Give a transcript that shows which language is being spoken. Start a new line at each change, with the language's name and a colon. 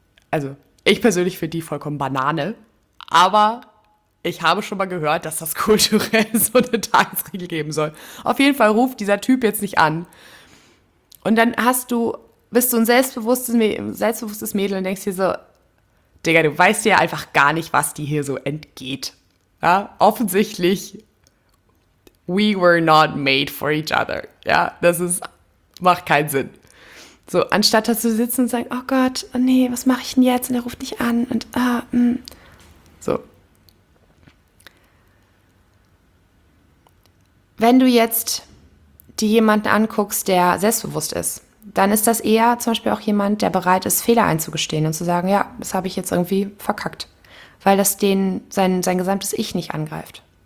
German: Also, ich persönlich finde die vollkommen Banane, aber ich habe schon mal gehört, dass das kulturell so eine Tagesregel geben soll. Auf jeden Fall ruft dieser Typ jetzt nicht an. Und dann bist du ein selbstbewusstes Mädel und denkst dir so, Digga, du weißt ja einfach gar nicht, was dir hier so entgeht. Ja, offensichtlich,
English: we were not made for each other.
German: Ja, macht keinen Sinn. So, anstatt dass du sitzt und sagst, oh Gott, oh nee, was mache ich denn jetzt? Und er ruft nicht an und so. Wenn du jetzt dir jemanden anguckst, der selbstbewusst ist, dann ist das eher zum Beispiel auch jemand, der bereit ist, Fehler einzugestehen und zu sagen, ja, das habe ich jetzt irgendwie verkackt, weil das sein gesamtes Ich nicht angreift.